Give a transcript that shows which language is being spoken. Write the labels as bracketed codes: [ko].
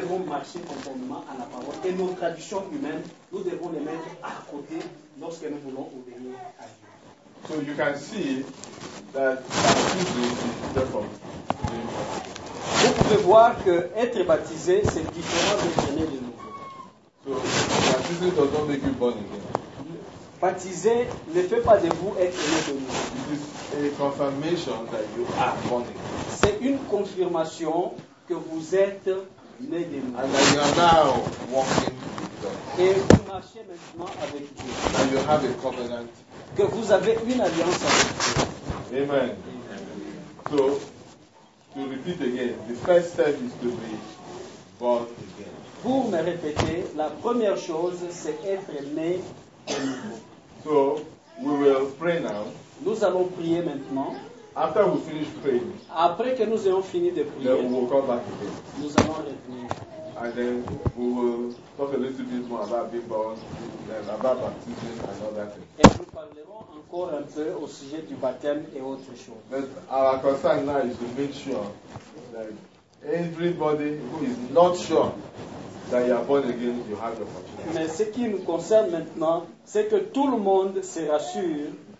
[fr] Nous devons marcher conformément à la parole. Et nos traditions humaines, nous devons les mettre à côté lorsque nous voulons obéir à Dieu. [en] So you can see that is different. [fr] Vous pouvez voir que être baptisé, c'est différent de naître de nouveau. [en] So baptism does not make you born again. [fr] Baptisé ne fait pas de vous être né de nouveau. [en] It is a confirmation that you are born again. [fr] C'est une confirmation que vous êtes né de nouveau. [en] And that you are now walking. [fr] Et vous marchez maintenant avec Dieu. [en] And you have a covenant. [fr] Que vous avez une alliance avec Dieu. [en] Amen. Amen. So, to repeat again, the first step is to be born again. [fr] Pour me répéter, la première chose, c'est être né de nouveau. [en] So, we will pray now. [fr] Nous allons prier maintenant. [en] After we finish praying, [fr] après que nous ayons fini de prier, [en] then we will come back again. [fr] Nous allons revenir. [en] And then we will talk a little bit more about being born, and about baptism and other things. [fr] Et nous parlerons encore un peu au sujet du baptême et autres choses. [en] But our concern now is to make sure that everybody who is not sure that you are born again, you have the opportunity. [fr] Mais ce qui nous concerne maintenant, c'est que tout le monde se rassure.